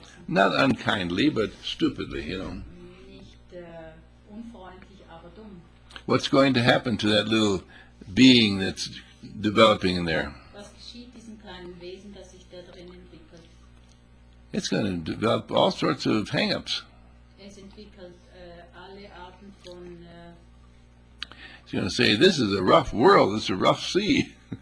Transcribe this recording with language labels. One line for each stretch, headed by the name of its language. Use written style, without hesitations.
English: Not unkindly, but stupidly, you know.
German: Nicht, unfreundlich, aber dumm.
English: What's going to happen to that little being that's developing in there?
German: Was geschieht diesem kleinen Wesen, das sich da drin entwickelt?
English: It's going to develop all sorts of hang-ups.
German: Es entwickelt alle Arten von
English: She's going to say, this is a rough world, this is a rough sea.